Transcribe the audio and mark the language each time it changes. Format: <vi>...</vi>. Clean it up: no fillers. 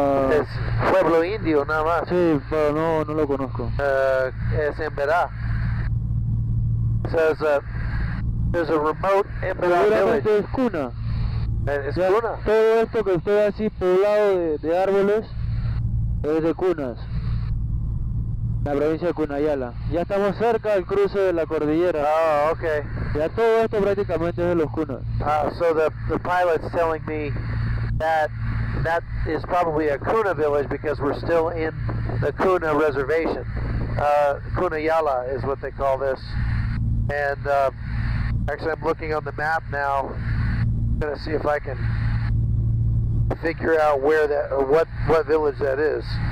<es>Es pueblo indio, nada más. Sí, pero no lo conozco. Es Emberá.</es> <en>Says there's a remote Emberá village.</en> <es>Es cuna. Es cuna. Todo esto que estoy así poblado de árboles es de cunas. La provincia de Cunayala. Ya estamos cerca del cruce de la cordillera. Ah, oh, okay. Ya todo esto prácticamente es de los cunas.</es> <en>Ah, so the pilot's telling me that is probably a Cuna village because we're still in the Cuna reservation. Cunayala is what they call this. And actually I'm looking on the map now. I'm gonna see if I can figure out where that, or what village that is.</en>